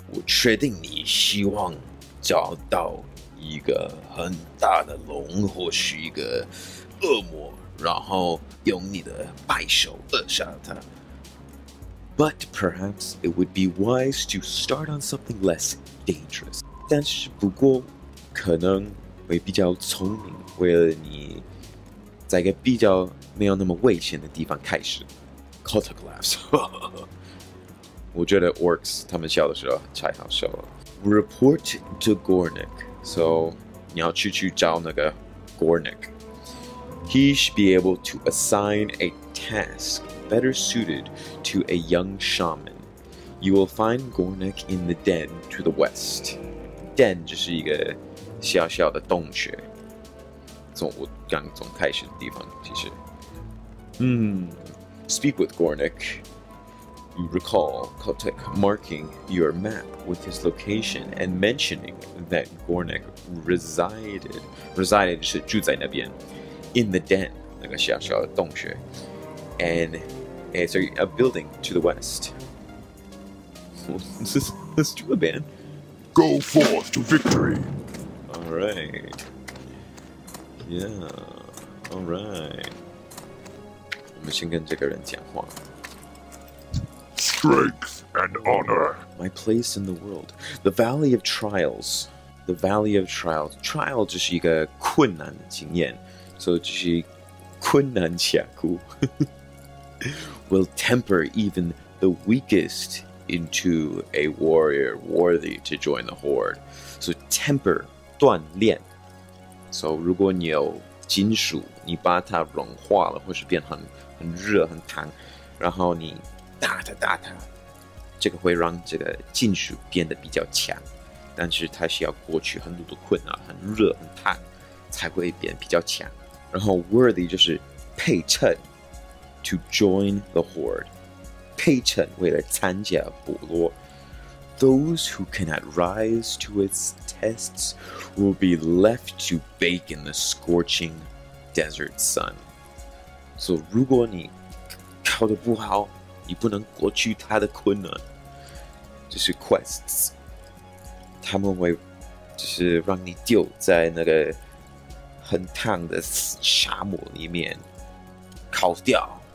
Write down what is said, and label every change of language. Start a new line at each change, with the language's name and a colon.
Chinese: 我确定你希望找到一个很大的龙或是一个恶魔，然后用你的白手扼杀它。
English: But perhaps it would be wise to start on something less dangerous.
Chinese: 但是不过可能会比较聪明，为了你在一个比较没有那么危险的地方开始。
English: Kotuk laughs.
Chinese: 我觉得 Orcs 他们笑的时候才好笑了。
English: Report to Gornik. So
Chinese: 你要去找那个 Gornik.
English: He should be able to assign a task. Better suited to a young shaman. You will find Gornik in the den to the west.
Chinese: Den 就是一个小小的洞穴，从我刚从开始的地方其实。
English: Speak with Gornik. You recall Kotek marking your map with his location and mentioning that Gornik resided
Chinese: 就是住在那边
English: in the den
Chinese: 那个小小的洞穴
English: and. So, a building to the west. Let's do a band. Go forth to victory! Alright. Yeah. Alright.
Chinese: 我们先跟这个人讲话。
English: Strength and honor. My place in the world. The Valley of Trials. The Valley of Trials.
Chinese: Trial 就是一个困难的经验。So, 就是困难峡谷。
English: Will temper even the weakest into a warrior worthy to join the horde. So temper,
Chinese: 锻炼. So 如果你有金属，你把它融化了，或是变很热很烫，然后你打它，这个会让这个金属变得比较强。但是它需要过去很多的困难，很热很烫，才会变比较强。然后 worthy 就是配称。
English: To join the horde.
Chinese: 配衬为了参加部落
English: Those who cannot rise to its tests will be left to bake in the scorching desert sun.
Chinese: So, 如果你考得不好你不能过去他的困难就是 quests 他们会就是让你丢在那个很烫的沙漠里面烤掉